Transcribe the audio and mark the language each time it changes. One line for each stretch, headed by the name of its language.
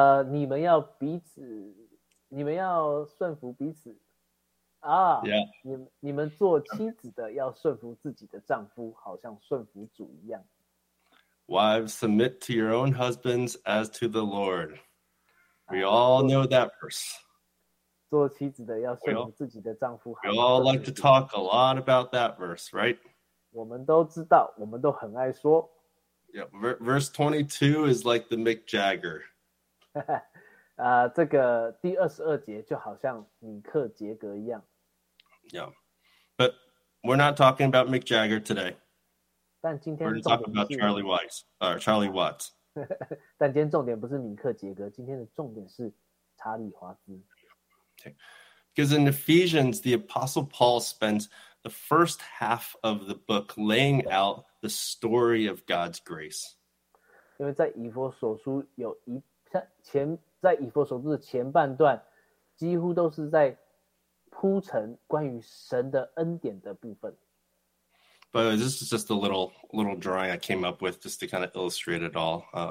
Chinese: 你们要彼此，你们要顺服彼此啊！
English: Yeah.
Chinese: 你们做妻子的要顺服自己的丈夫，好像顺服主一样。
English: Wives, submit to your own husbands as to the Lord. We all know that verse.
Chinese: 做妻子的要顺服自己的丈夫。
English: We all like to talk a lot about that verse, right?
Chinese: 我们都知道，我们都很爱说。
English: Yeah, verse 22 is like the Mick Jagger.
Chinese: 这个第二十二节就好像米克杰格一样。
English: Yeah, but we're not talking about Mick Jagger today.
Chinese: 但今天
English: we're talking about Charlie Weiss, Charlie Watts.
Chinese: 但今天重点不是米克杰格，今天的重点是查理华兹。
English: Okay. Because in Ephesians, the Apostle Paul spends the first half of the book laying out the story of God's grace.
Chinese: 因为在以弗所书有一前在以弗所书的前半段几乎都是在铺陈关于神的恩典的部分。
English: But this is just a little drawing I came up with just to kind of illustrate it all.